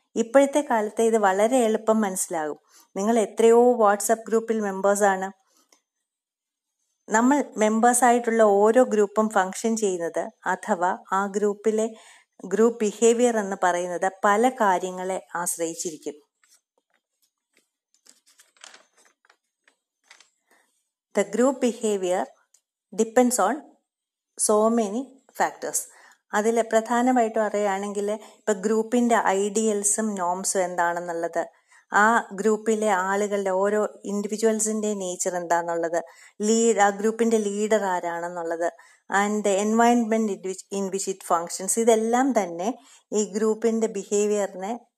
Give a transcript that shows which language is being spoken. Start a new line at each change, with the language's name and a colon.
Malayalam: ഇപ്പോഴത്തെ കാലത്ത് ഇത് വളരെ എളുപ്പം മനസ്സിലാകും. നിങ്ങൾ എത്രയോ വാട്സപ്പ് ഗ്രൂപ്പിൽ മെമ്പേഴ്സാണ്. നമ്മൾ മെമ്പേഴ്സായിട്ടുള്ള ഓരോ ഗ്രൂപ്പും ഫങ്ഷൻ ചെയ്യുന്നത് അഥവാ ആ ഗ്രൂപ്പിലെ ഗ്രൂപ്പ് ബിഹേവിയർ എന്ന് പറയുന്നത് പല കാര്യങ്ങളെ ആശ്രയിച്ചിരിക്കും.
English: The group behavior depends on so many factors.
Malayalam: അതിലെ പ്രധാനമായിട്ട് പറയുകയാണെങ്കിൽ, ഇപ്പോൾ ഗ്രൂപ്പിൻ്റെ ഐഡിയൽസും നോംസും എന്താണെന്നുള്ളത്, ആ ഗ്രൂപ്പിലെ ആളുകളുടെ ഓരോ ഇൻഡിവിജ്വൽസിൻ്റെ നേച്ചർ എന്താണെന്നുള്ളത്, ആ ഗ്രൂപ്പിൻ്റെ leader ആരാണെന്നുള്ളത്,
English: and the environment in which it functions,
Malayalam: ഇതെല്ലാം തന്നെ ഈ ഗ്രൂപ്പിൻ്റെ ബിഹേവിയറിനെ